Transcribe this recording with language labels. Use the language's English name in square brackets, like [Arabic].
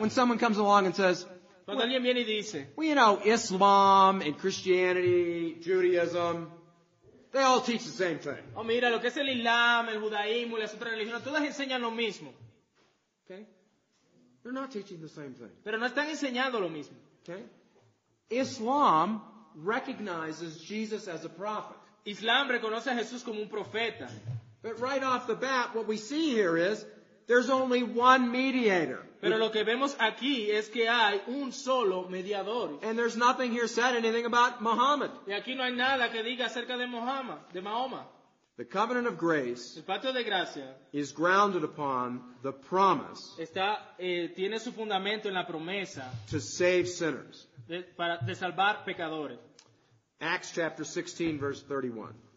[English] When someone comes along and says, [Spanish] cuando alguien viene y dice, [English] well, you know, Islam and Christianity, Judaism, they all teach the same thing. [Spanish] Oh, mira, lo que es el Islam, el judaísmo y las otras religiones, todas enseñan lo mismo. [English] Okay? They're not teaching the same thing. [Spanish] Pero no están enseñando lo mismo. [English] Okay? Islam recognizes Jesus as a prophet. [Spanish] Islam reconoce a Jesús como un profeta. [English] But right off the bat, what we see here is, there's only one mediator. [Spanish] Pero lo que vemos aquí es que hay un solo mediador. [English] And there's nothing here said anything about Muhammad. [Spanish] Y aquí no hay nada que diga acerca de Muhammad, de Mahoma. [English] The covenant of grace, [Spanish] el pacto de gracia, [English] is grounded upon the promise. [Spanish] Está tiene su fundamento en la promesa. [English] To save sinners. [Spanish] De salvar pecadores. [English] Acts chapter 16 verse 31.